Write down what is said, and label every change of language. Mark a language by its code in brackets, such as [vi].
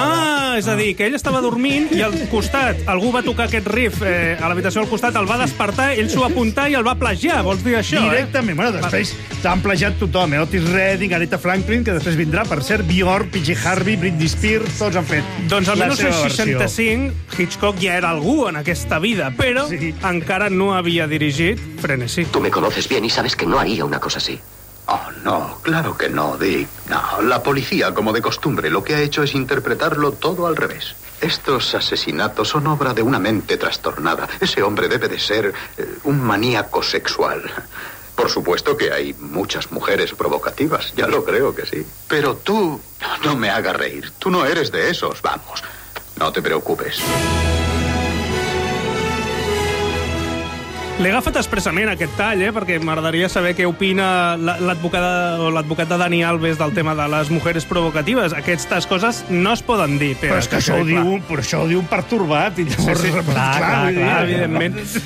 [ca] Ah, és a dir, que ell estava dormint i al costat, algú va tocar aquest riff a l'habitació al costat, el va despertar, ell s'ho va apuntar i el va plagiar, vols dir això? Directament, bueno, després s'han plagiat tothom, Otis Redding, Aretha Franklin, que després vindrà, per cert, Björk, P.G. Harvey, Britney Spears, tots han fet. Doncs al menys el 65, Hitchcock ja era algú en aquesta vida, però sí. Encara no havia dirigit Frenesí. [es] Tú me conoces bien y sabes que no haría una cosa así. Oh, no, claro que no, Dick. No, la policía, como de costumbre, lo que ha hecho es interpretarlo todo al revés. Estos asesinatos son obra de una mente trastornada. Ese hombre debe de ser un maníaco sexual. Por supuesto que hay muchas mujeres provocativas, ya lo creo que sí. Pero tú no me hagas reír, tú no eres de esos, vamos. No te preocupes. [ca] L'he agafat expressament, aquest tall, perquè m'agradaria saber què opina l'advocat de Dani Alves del tema de les mujeres provocatives. Aquestes coses no es poden dir, Pere. Però és que això ho diu, però això ho diu pertorbat. I llavors, clar, evidentment.